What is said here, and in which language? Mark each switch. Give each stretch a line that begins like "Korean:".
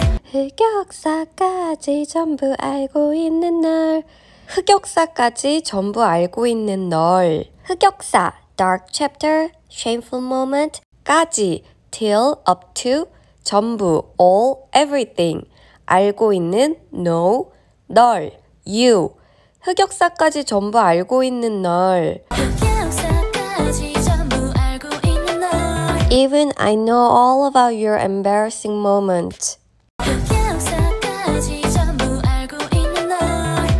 Korean: 흑역사까지 전부 알고 있는 널 흑역사까지 전부 알고 있는 널 흑역사
English: Dark chapter Shameful moment
Korean: 까지
English: Till up to
Korean: 전부,
English: all, everything,
Korean: 알고 있는,
English: know,
Korean: 널,
English: you,
Korean: 흑역사까지 전부 알고 있는 널. 흑역사까지 전부 알고 있는 널.
English: Even I know all about your embarrassing moment.
Korean: 흑역사까지 전부 알고 있는 널.